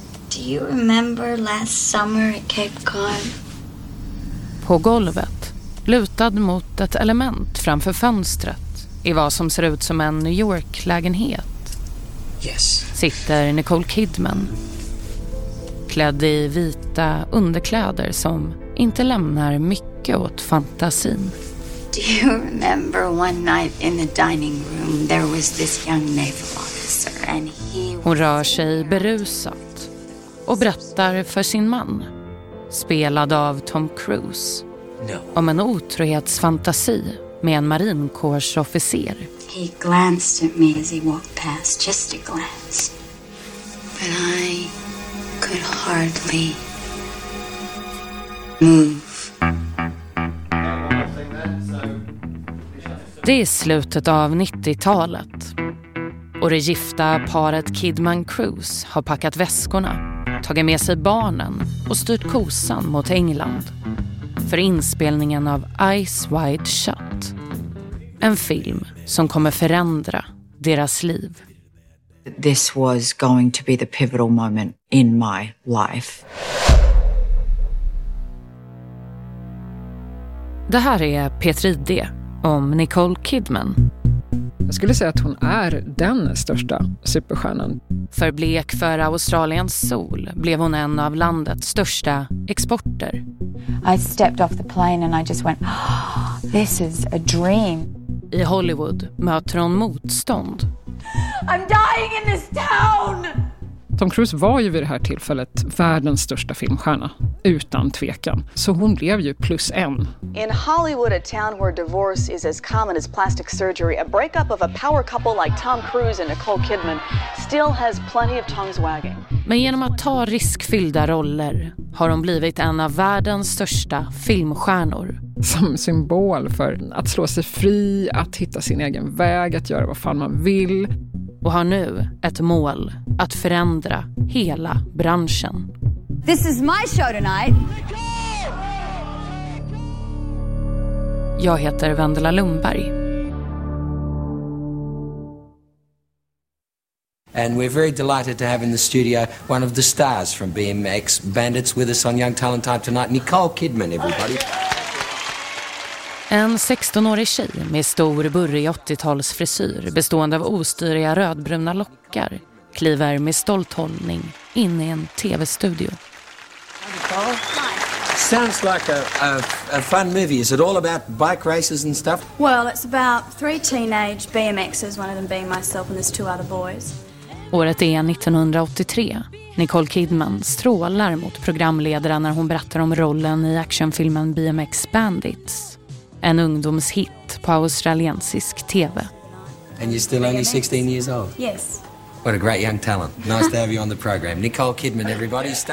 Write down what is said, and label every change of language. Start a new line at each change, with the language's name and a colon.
English: Do you remember last summer at Cape Cod?
Swedish: På golvet, lutad mot ett element framför fönstret. I vad som ser ut som en New York-lägenhet.
English: Yes.
Swedish: Sitter Nicole Kidman. Klädd i vita underkläder som inte lämnar mycket åt fantasin.
English: Do you remember one night in the dining room there was this young naval officer and he...
Swedish: Hon rör sig berusat och berättar för sin man, spelad av Tom Cruise, om en otrohetsfantasi med en marinkårsofficer.
English: He glanced at me as he walked past, just a glance. But I could hardly move.
Swedish: Det är slutet av 90-talet. Och det gifta paret Kidman Cruise har packat väskorna, tagit med sig barnen och styrt kosan mot England för inspelningen av Eyes Wide Shut. En film som kommer förändra deras liv.
English: This was going to be the pivotal moment in my life.
Swedish: Det här är Petri D om Nicole Kidman. Jag skulle säga att hon är den största superstjärnan. För blek för Australiens sol blev hon en av landets största exporter.
English: I stepped off the plane and I just went, this is a dream.
Swedish: I Hollywood möter hon motstånd.
English: I'm dying in this town!
Swedish: Tom Cruise var ju vid det här tillfället världens största filmstjärna, utan tvekan. Så hon blev ju plus en.
English: In Hollywood, a town where divorce is as common as plastic surgery, a breakup of a power couple like Tom Cruise and Nicole Kidman still has plenty of tongues wagging.
Swedish: Men genom att ta riskfyllda roller har hon blivit en av världens största filmstjärnor. Som symbol för att slå sig fri, att hitta sin egen väg, att göra vad fan man vill. Och har nu ett mål att förändra hela branschen.
English: This is my show tonight.
Swedish: Jag heter Wendela Lundberg.
English: And we're very delighted to have in the studio one of the stars from BMX Bandits with us on Young Talent Time tonight, Nicole Kidman, everybody.
Swedish: En 16-årig tjej med stor burrig 80-tals frisyr bestående av ostyriga rödbruna lockar kliver med stolt hållning in i en tv-studio.
English: Sounds like a fun movie. Is it all about bike races and stuff? Well, it's about three teenage BMXers, one of them being myself and there's two other boys.
Swedish: Året är 1983. Nicole Kidman strålar mot programledaren när hon berättar om rollen i actionfilmen BMX Bandits. En ungdomshit på australiensisk tv.
English: And you're still only 16 years old? Yes. What a great young talent. Nice to have you on the program. Nicole Kidman, everybody.